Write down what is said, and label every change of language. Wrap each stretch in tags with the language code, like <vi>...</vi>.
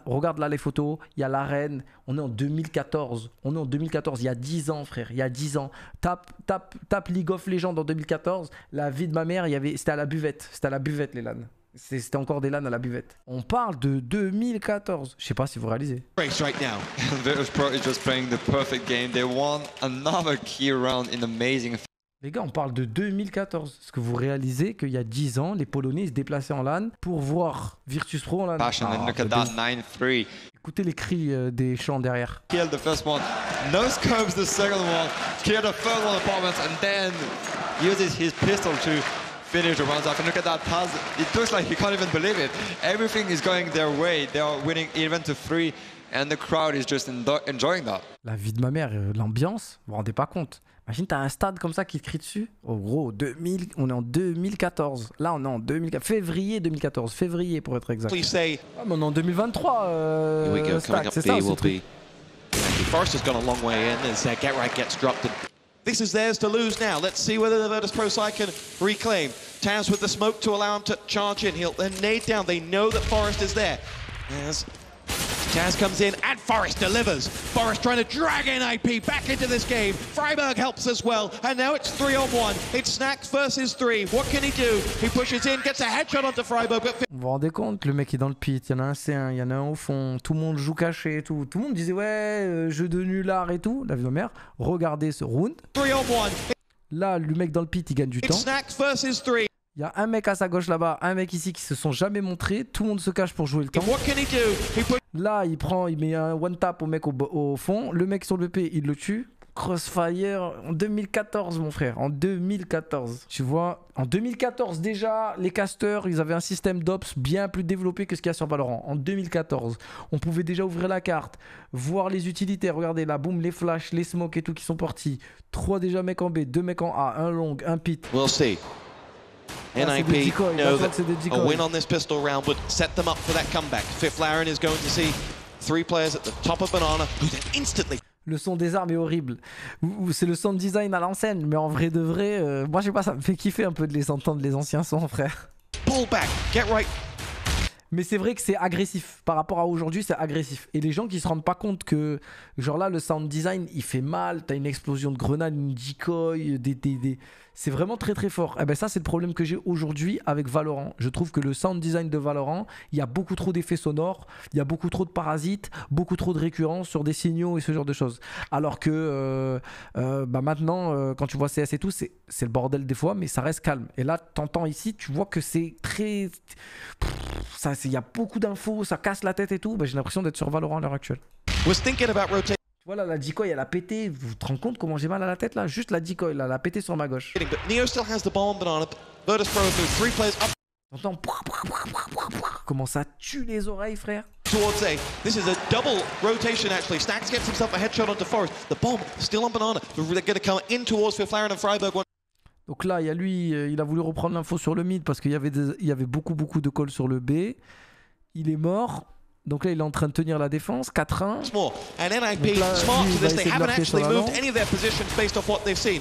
<fr>Regarde là les photos. Il y a l'arène. On est en 2014. On est en 2014. Il y a 10 ans, frère. Il y a 10 ans. Tape League of Legends en 2014. La vie de ma mère, c'était à la buvette. C'était à la buvette, les LAN. C'était encore des LAN à la buvette. On parle de 2014. Je sais pas si vous réalisez.</fr> <en>Breaks right now. Virtus Pro is just playing the perfect game. They won another key round in amazing.</en> <fr>Les gars, on parle de 2014. Est-ce que vous réalisez qu'il y a 10 ans, les Polonais se déplaçaient en LAN pour voir Virtus Pro en LAN?</fr> <en>Oh, look at that, 9-3.</en> <fr>Écoutez les cris des chants derrière.</fr> <en>Kill the first one. No scopes the second one. Kill the third one performance and then uses his pistol to finish the rounds off. And look at that, Taz. It looks like he can't even believe it. Everything is going their way. They are winning even to 3 and the crowd is just enjoying that.</en> <fr>La vie de ma mère, l'ambiance, vous vous rendez pas compte. Imagine, t'as un stade comme ça qui te crie dessus. Oh gros, 2000, on est en 2014. Là, on est en 2014. Février 2014. Février, pour être exact.</fr> <en>Please say.</en> <fr>Ah, mais on est en 2023.</fr> <en>Here we go, stack, coming up,</en> <fr>c'est B, ça,</fr> <en>Forest has gone a long way in as Get Right gets dropped. And this is theirs to lose now. Let's see whether the Virtus Pro side can reclaim. Taz with the smoke to allow him to charge in. He'll then nade down. They know that Forest is there. As Taz comes in and Forest delivers. Forest trying to drag NIP back into this game. Freiburg helps as well. And now it's 3-on-1. It's Snax versus 3. What can he do? He pushes in, gets a headshot onto Freiburg. But...</en> <fr>Vous vous rendez compte, le mec est dans le pit. Il y en a un C1, il y en a un au fond. Tout le monde joue caché et tout. Tout le monde disait, ouais, jeu de nullard et tout. La vie de ma mère, regardez ce round.</fr> <en>3-on-1.</en> <fr>Là, le mec dans le pit, il gagne du</fr> <en>it's</en> <fr>temps.</fr> <en>Snax versus 3.</en> <fr>Il y a un mec à sa gauche là-bas, un mec ici qui se sont jamais montrés. Tout le monde se cache pour jouer le temps.</fr> <en>What can he do? He put...</en> <fr>Là, il prend, il met un one tap au mec au fond. Le mec sur le BP, il le tue. Crossfire en 2014, mon frère. En 2014. Tu vois, en 2014 déjà, les casters, ils avaient un système d'ops bien plus développé que ce qu'il y a sur Valorant. En 2014, on pouvait déjà ouvrir la carte, voir les utilitaires. Regardez là, boum, les flashs, les smokes et tout qui sont partis. Trois déjà mecs en B, deux mecs en A, un long, un pit.</fr> <en>We'll see. NIP know that a win on this pistol round would set them up for that comeback. Fifth Laren is going to see three players at the top of Banana who then instantly...</en> <fr>Le son des armes est horrible. C'est le sound design à l'ancienne, mais en vrai de vrai, moi je sais pas, ça me fait kiffer un peu de les entendre, les anciens sons, frère.</fr> <en>Pull back, get right.</en> <fr>Mais c'est vrai que c'est agressif. Par rapport à aujourd'hui, c'est agressif. Et les gens qui se rendent pas compte que, genre là, le sound design, il fait mal. T'as une explosion de grenade, une decoy, des... C'est vraiment très très fort. Et ben ça, c'est le problème que j'ai aujourd'hui avec Valorant. Je trouve que le sound design de Valorant, il y a beaucoup trop d'effets sonores, il y a beaucoup trop de parasites, beaucoup trop de récurrences sur des signaux et ce genre de choses. Alors que maintenant, quand tu vois CS et tout, c'est le bordel des fois, mais ça reste calme. Et là, t'entends ici, tu vois que c'est très... Il y a beaucoup d'infos, ça casse la tête et tout. Ben, j'ai l'impression d'être sur Valorant à l'heure actuelle. Voilà la decoy, elle a pété. Vous te rendez compte comment j'ai mal à la tête là? Juste la decoy, là, elle a pété sur ma gauche.</fr> <en>Neo still has the bomb, Banana. Virtus Pro through three players up.</en> <fr>T'entends? Comment ça tue les oreilles, frère?</fr> <en>Towards A. This is a double rotation actually. Stax gets himself a headshot onto Forest. The bomb still on Banana. They're gonna come in towards Fifth Laren and Freiburg.</en> <fr>Donc là, il y a lui, il a voulu reprendre l'info sur le mid parce qu'il y avait beaucoup de calls sur le B. Il est mort. Donc là, il est en train de tenir la défense, 4-1.</fr> <en>And NIP, là, smart to this, they haven't actually moved any of their positions based off what they've seen.</en>